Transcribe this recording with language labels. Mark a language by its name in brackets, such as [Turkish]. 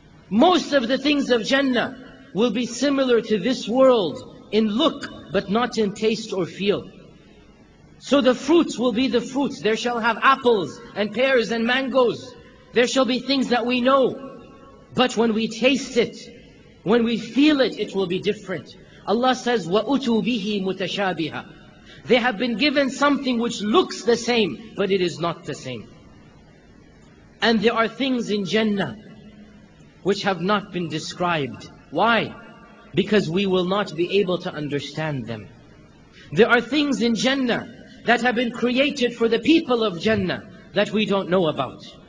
[English] Most of the things of Jannah will be similar to this world in look, but not in taste or feel. So the fruits will be the fruits. There shall have apples and pears and mangoes. There shall be things that we know. But when we taste it, when we feel it, it will be different. Allah says, [Arabic] وَأُتُوا بِهِ مُتَشَابِهَا. [English] They have been given something which looks the same, but it is not the same. And there are things in Jannah which have not been described. Why? Because we will not be able to understand them. There are things in Jannah that have been created for the people of Jannah that we don't know about.